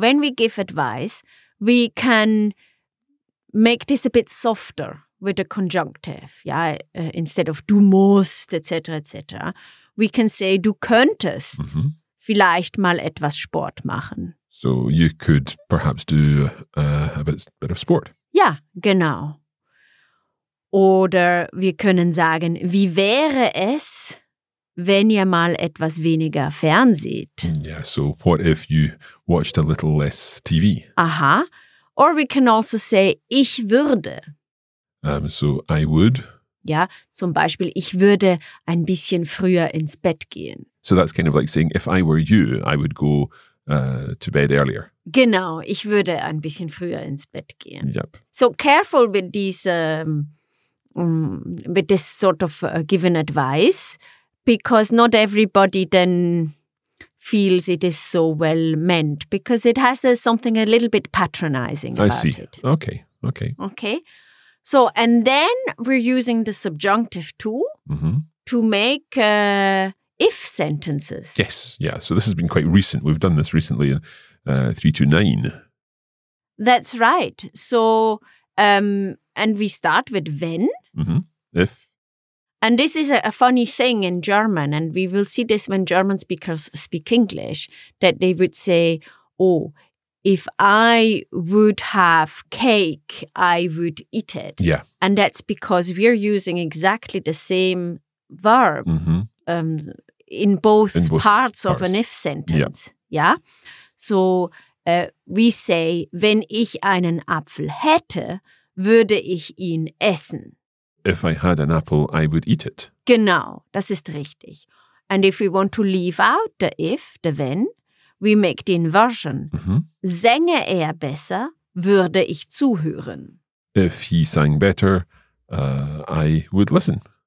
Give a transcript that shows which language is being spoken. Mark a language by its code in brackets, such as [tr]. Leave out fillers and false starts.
[en] When we give advice, we can make this a bit softer with a conjunctive. Yeah, instead of [de] du musst, [en] etc., we can say [de] du könntest [en] mm-hmm. [de] vielleicht mal etwas Sport machen. [en] So you could perhaps do a bit of sport. [de] Yeah, genau. Oder wir können sagen, wie wäre es, wenn ihr mal etwas weniger fernseht? [en] Yeah, so what if you watched a little less TV? Aha. Or we can also say, [de] ich würde. [en] So I would. [de] Ja, zum Beispiel, ich würde ein bisschen früher ins Bett gehen. [en] So that's kind of like saying, if I were you, I would go to bed earlier. [de] Genau, ich würde ein bisschen früher ins Bett gehen. [en] Yep. So careful with these... with this sort of given advice, because not everybody then feels it is so well meant, because it has something a little bit patronizing about it. I see. Okay. Okay. Okay. So, and then we're using the subjunctive too mm-hmm. to make if sentences. Yes. Yeah. So this has been quite recent. We've done this recently in 329. That's right. So, and we start with wenn. Mm-hmm. If. And this is a funny thing in German, and we will see this when German speakers speak English, that they would say, oh, if I would have cake, I would eat it. Yeah. And that's because we're using exactly the same verb mm-hmm. in both parts of an if sentence. Yeah. Yeah? So we say, [de] wenn ich einen Apfel hätte, würde ich ihn essen. [en] If I had an apple, I would eat it. [de] Genau, das ist richtig. [en] And if we want to leave out the if, the wenn, we make the inversion. Mm-hmm. [de] Sänge er besser, würde ich zuhören. [en] If he sang better, I would listen.